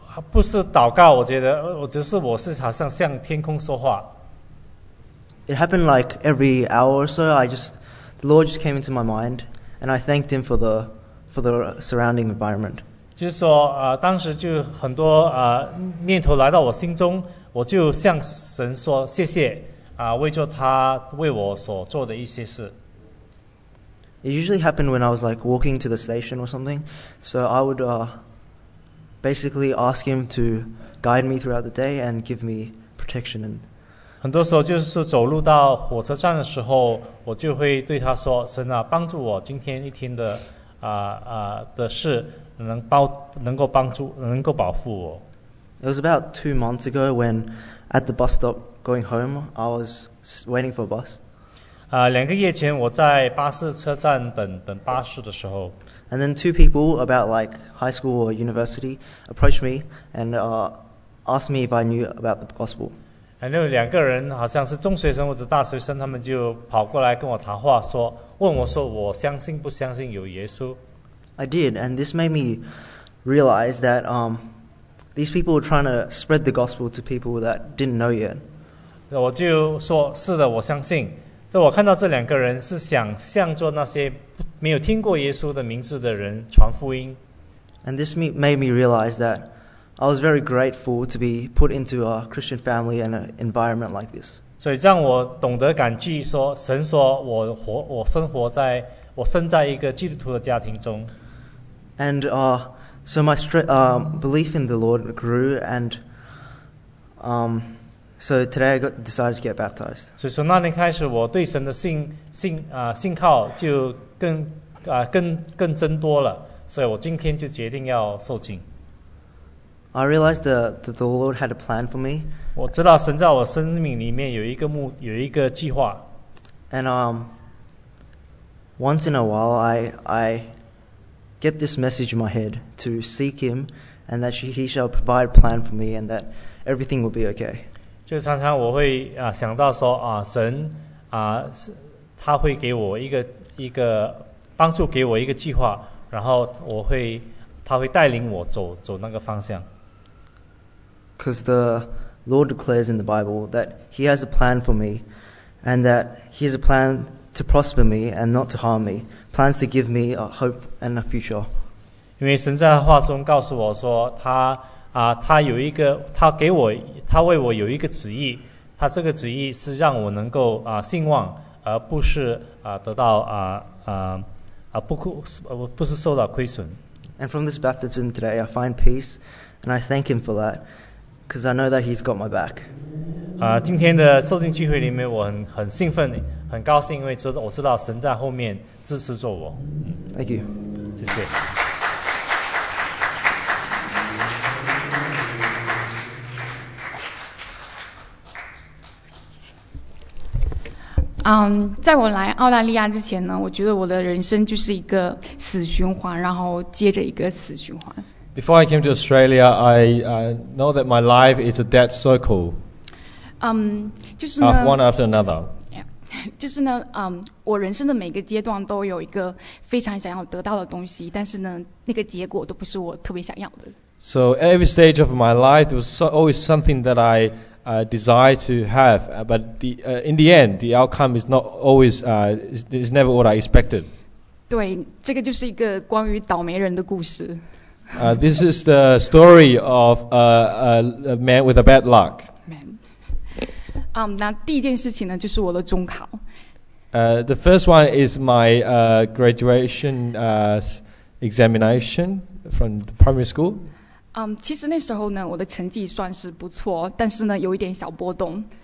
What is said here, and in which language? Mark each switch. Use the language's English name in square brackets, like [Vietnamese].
[Chinese] 不是祷告，我觉得我是好像向天空说话。 [English] It happened like every hour or so. The Lord just came into my mind, and I thanked Him for the surrounding environment. [Chinese] 就是说，当时就很多念头来到我心中，我就向神说谢谢啊，为着他为我所做的一些事。 [English] It usually happened when I was like walking to the station or something. So I would basically ask Him to guide me throughout the day and give me protection and. [Chinese] 很多时候就是走路到火车站的时候，我就会对他说：“神啊，帮助我今天一天的的事，能够保护我。” [English] It was about 2 months ago when, at the bus stop going home, I was waiting for a bus. [Chinese] 两个月前我在巴士车站等巴士的时候 [English] ，And then two people about like high school or university approached me and asked me if I knew about the gospel. [Chinese] 然后两个人好像是中学生或者大学生，他们就跑过来跟我谈话，说问我说我相信不相信有耶稣。 [English] I did, and this made me realize that these people were trying to spread the gospel to people that didn't know yet. [Chinese] 我就说是的，我相信。这我看到这两个人是想向着那些没有听过耶稣的名字的人传福音。 [English] And this made me realize that. I was very grateful to be put into a Christian family and an environment like this. [Chinese] 所以让我懂得感激说神说我生在一个基督徒的家庭中。 [English] And so my belief in the Lord grew and so today I decided to get baptized. [Chinese] 所以从那天开始我对神的信靠就更增多了，所以我今天就决定要受浸。 [English] I realized that the Lord had a plan for me. [Chinese] 我知道神在我生命里面有一个计划。 [English] And once in a while, I get this message in my head to seek Him, and that He shall provide a plan for me, and that everything will be okay. [Chinese] 就常常我会想到说神他会给我一个帮助，给我一个计划，然后他会带领我走那个方向。 [English] Because the Lord declares in the Bible that He has a plan for me, and that He has a plan to prosper me and not to harm me, plans to give me a hope and a future. [Chinese] 因为神在话中告诉我说，他有一个，他给我，他为我有一个旨意，他这个旨意是让我能够兴旺，而不是得到不是受到亏损。 [English] And from this baptism today, I find peace, and I thank Him for that. Because I know that He's got my back. [Chinese] 今天的受浸聚会里面，我很兴奋，很高兴，因为我知道神在后面支持着我。 [English] Thank you. [Chinese] 谢谢。在我来澳大利亚之前呢，我觉得我的人生就是一个死循环，然后接着一个死循环。 [English] Before I came to Australia, I know that my life is a dead circle, Just one after another. Yeah. [Chinese] 就是呢，我人生的每个阶段都有一个非常想要得到的东西，但是呢，那个结果都不是我特别想要的。 [English] So every stage of my life was always something that I desire to have, but in the end, the outcome is not always is never what I expected. [Chinese] 对，这个就是一个关于倒霉人的故事。 [English] This is the story of a man with a bad luck. Man. [Chinese] 那第一件事情呢，就是我的中考。 [English] The first one is my graduation examination from the primary school. [Chinese] 其实那时候呢，我的成绩算是不错，但是呢，有一点小波动。